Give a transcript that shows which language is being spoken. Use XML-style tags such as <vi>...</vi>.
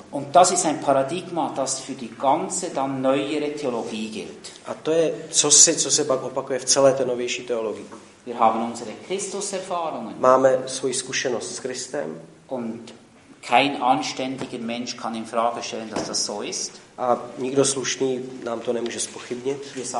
<de>Und das ist ein Paradigma, das für die ganze dann neuere Theologie gilt.</de> <cs>A to je co se pak opakuje v celé té novější teologii.</cs> <de>Wir haben unsere Christus-Erfahrungen.</de> <cs>Máme svoji zkušenost s Kristem.</cs> <de>Und kein anständiger Mensch kann in Frage stellen, dass das so ist.</de> <cs>A nikdo slušný nám to nemůže zpochybnit.</cs>